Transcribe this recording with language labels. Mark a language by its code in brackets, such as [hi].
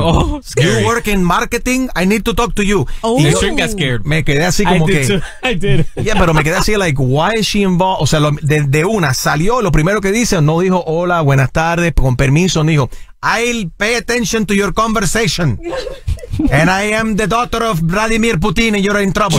[en] Oh, you work in marketing, I need to talk to you. Y Extreme got scared. [es] Me quedé así como [en] I [es] que... pero me quedé así [en] like, why is she involved? [es] O sea, de una salió, lo primero que dice, no dijo hola, buenas tardes, con permiso, no dijo... [en] I'll pay attention to your conversation. And I am the daughter of Vladimir Putin and you're in trouble.